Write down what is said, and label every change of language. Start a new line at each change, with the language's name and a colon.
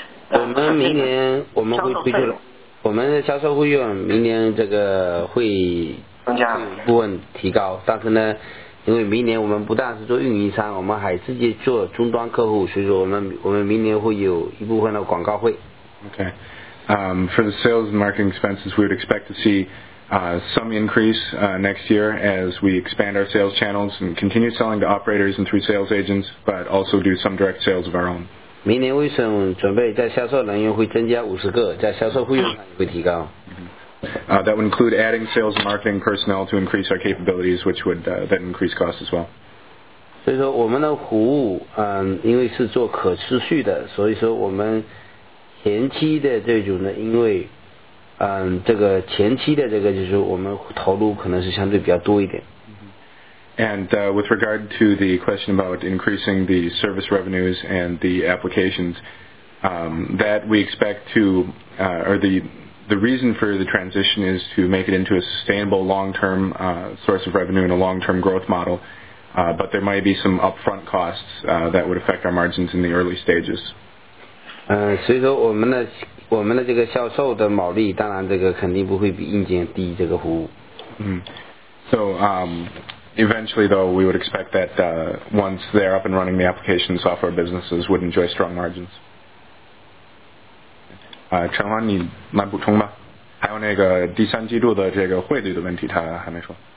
Chinese: 我们明年我们会推出，我们的销售费用明年这个会增加部分提高，但是呢。因为明年我们不但是做运营商，我们还自己做终端客户，所以说我们明年会有一部分的广告费。
English: Okay, for the sales and marketing expenses, we would expect to see some increase next year as we expand our sales channels and continue selling to operators and through sales agents, but also do some direct sales of our own.
Chinese: 明年为什么准备在销售人员会增加50个，在销售费用上也会提高。
English: That would include adding sales and marketing personnel to increase our capabilities, which would then increase costs as well.
Chinese: 所以说我们的服务，因为是做可持续的，所以说我们前期的这种呢，因为，这个前期的这个就是我们投入可能是相对比较多一点。
English: And with regard to the question about increasing the service revenues and the applications, that we expect to, or the. The reason for the transition is to make it into a sustainable long-term source of revenue and a long-term growth model, but there might be some upfront costs that would affect our margins in the early stages.
Chinese: 所以说我们的这个销售的毛利，当然这个肯定不会比硬件低这个服务。
English: So eventually, though, we would expect that once they're up and running, the application software businesses would enjoy strong margins.
Chinese: 陈欢，你来补充吧。还有那个第三季度的这个汇率的问题他还没说。